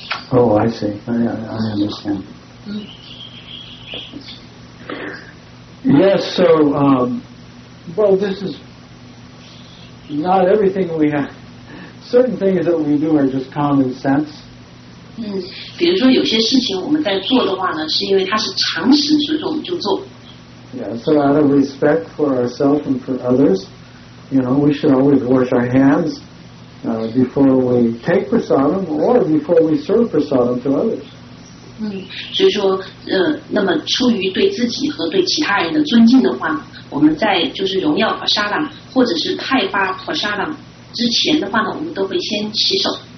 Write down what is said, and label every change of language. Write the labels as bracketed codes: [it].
[en] Oh, I see. I understand. Yes. So, well, this is not everything we have. certain things that we do are just common sense. [zh] 比如说有些事情我们在做的话呢，是因为它是常识，所以说我们就做。 [en] Yeah, so out of respect for ourselves and for others, you know, we should always wash our hands, before we take prasadam or before we serve prasadam to others. [zh] 所以说，那么出于对自己和对其他人的尊敬的话，我们在就是荣耀prasadam或者是派发prasadam之前的话呢，我们都会先洗手。